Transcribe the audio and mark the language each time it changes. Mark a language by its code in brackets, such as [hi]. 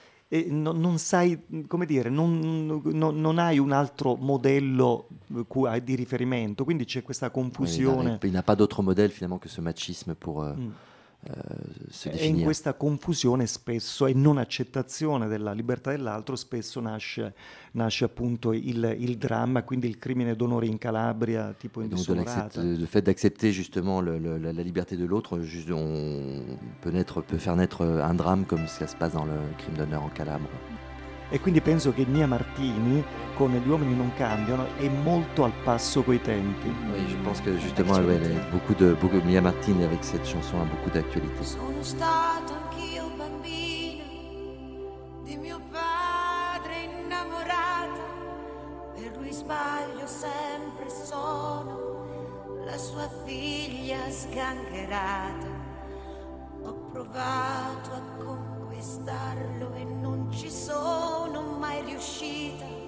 [it] E non sai, come dire, non hai un altro modello di riferimento, quindi c'è questa confusione. [fr] Il n'a pas d'autre modèle, finalement, que ce machisme pour... [it] E in questa confusione spesso e non accettazione della libertà dell'altro spesso nasce appunto il dramma, quindi il crimine d'onore in Calabria, tipo in Dissonorata. [fr] Le fait d'accepter justement la liberté de l'autre, juste on peut faire naître un drame comme ça se passe dans le crime d'honneur en Calabre. [it] E quindi penso che Mia Martini con Gli uomini non cambiano è molto al passo coi tempi. [fr] Oui, je pense que justement beaucoup Mia Martini avec cette chanson a beaucoup d'actualité. [it] Sono stato anch'io bambina di mio padre innamorata, per lui sbaglio sempre, sono la sua figlia sgangherata, ho provato a conquistarlo e non ci sono mai riuscita,